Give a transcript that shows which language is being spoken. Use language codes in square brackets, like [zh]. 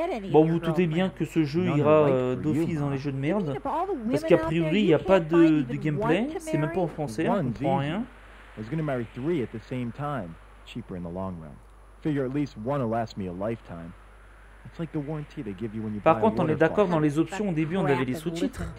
[fr] Bon, vous doutez bien que ce jeu ira d'office dans les jeux de merde, parce qu'a priori, il n'y a pas de gameplay, c'est même pas en français, on comprend rien. [en] I was gonna marry three at the same time, cheaper in the long run. Figure at least one will last me a lifetime. It's like the warranty they give you when you buy. [fr] Par contre, on est d'accord, dans les options au début, on avait les sous-titres.